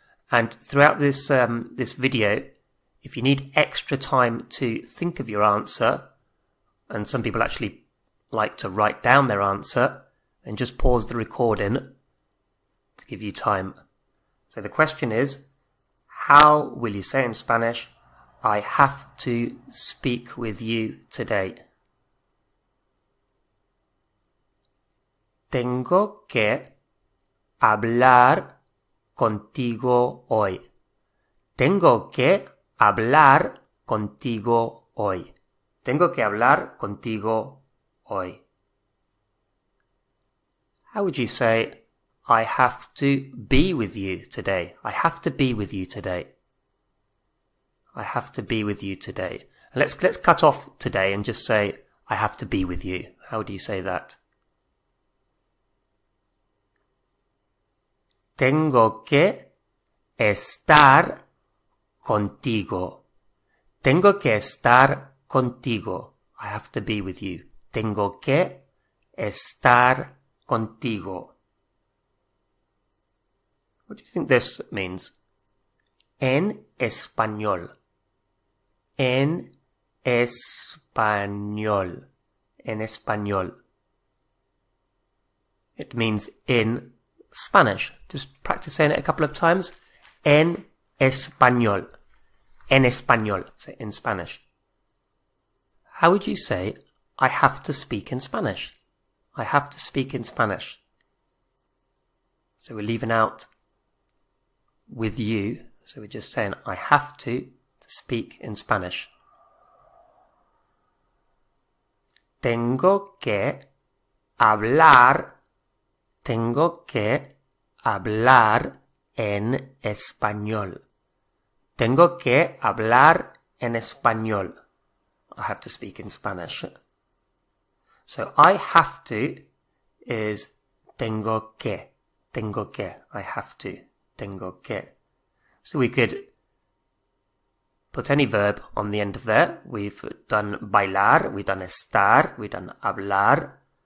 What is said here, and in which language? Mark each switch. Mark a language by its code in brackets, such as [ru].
[en] And throughout this this video, if you need extra time to think of your answer, and some people actually like to write down their answer, then just pause the recording to give you time. So the question is, how will you say in Spanish, I have to speak with you today? [es] Tengo que hablar contigo hoy. Tengo que hablar contigo hoy. Tengo que hablar contigo hoy. [en] How would you say, I have to be with you today? I have to be with you today. I have to be with you today. Let's cut off today and just say, I have to be with you. How do you say that? [es] Tengo que estar contigo. Tengo que estar contigo. [en] I have to be with you. [es] Tengo que estar contigo. [en] What do you think this means? [es] En español. En español. En español. [en] It means in Spanish. Just practice saying it a couple of times. [es] En español. En español. [en] So in Spanish. How would you say, I have to speak in Spanish? I have to speak in Spanish. So we're leaving out with you. So we're just saying, I have to speak in Spanish. [es] Tengo que hablar Tengo que hablar en español. Tengo que hablar en español. [en] I have to speak in Spanish. So, I have to is [es] tengo que. Tengo que. [en] I have to. [es] Tengo que. [en] So, we could put any verb on the end of there. We've done [es] bailar, [en] we've done [es] estar, [en] we've done [es] hablar.